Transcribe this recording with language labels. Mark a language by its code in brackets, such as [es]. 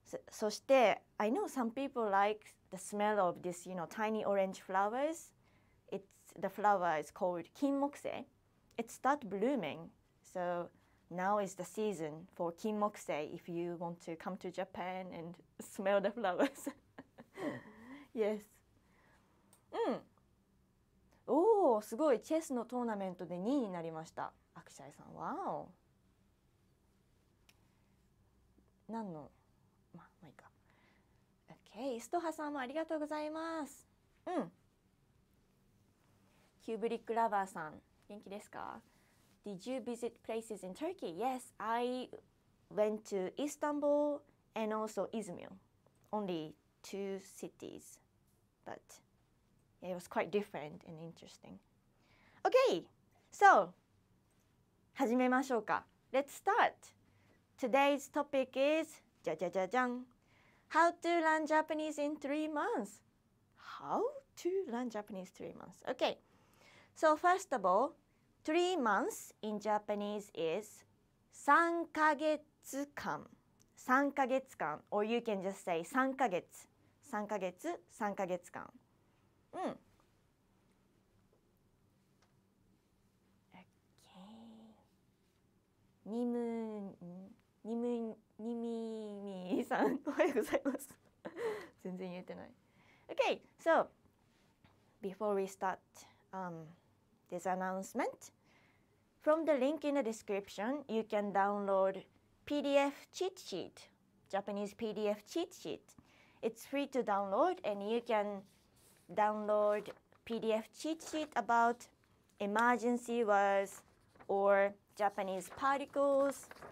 [ja] そして、 [en] I know some people like the smell of this, you know, tiny orange flowers. The flower is called kinmokusei. It started blooming. So now is the season for kinmokusei if you want to come to Japan and smell the flowers. Yes. [ja] Oh, すごい。チェスのトーナメントで2位になりました。アクシャイさん。 [en] Wow. [ja] 何の? Hey, ストハさんもありがとうございます。キューブリックラバーさん、元気ですか？ [en] Did you visit places in Turkey? Yes, I went to Istanbul and also Izmir. Only two cities, but it was quite different and interesting. Okay, so [ja] 始めましょうか。 [en] Let's start. Today's topic is じゃじゃじゃじゃん、How to learn Japanese in 3 months. How to learn Japanese 3 months. Okay. So first of all, 3 months in Japanese is [ja] 3 ヶ月間。 3ヶ月間。 [en] Or you can just say 3ヶ月。3ヶ月、3ヶ月間。Okay. [ja] にむ、にみみみさん、おはようございます。全然言えてない。 [en] OK, so before we start this announcement, from the link in the description, you can download PDF cheat sheet, Japanese PDF cheat sheet. It's free to download, and you can download PDF cheat sheet about emergency words or Japanese particles.